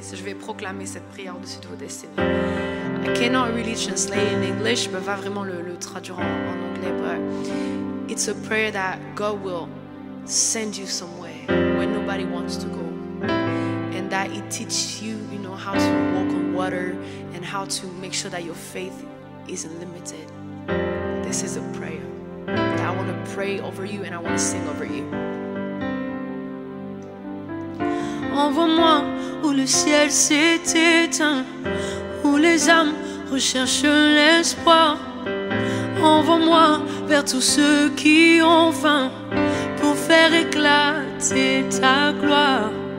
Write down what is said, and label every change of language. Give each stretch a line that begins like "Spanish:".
French: So je vais proclamer cette prière au-dessus de vos destinées.
English: I cannot really translate in English, but
French: va vraiment le traduire en anglais.
English: But it's a prayer that God will send you somewhere where nobody wants to go, and that He teaches you, you know, how to walk on water and how to make sure that your faith isn't limited. This is a prayer that I want to pray over you and I want to sing over you.
French: Envoie-moi où le ciel s'est éteint, où les âmes recherchent l'espoir. Envoie-moi vers tous ceux qui ont faim pour faire éclater ta gloire.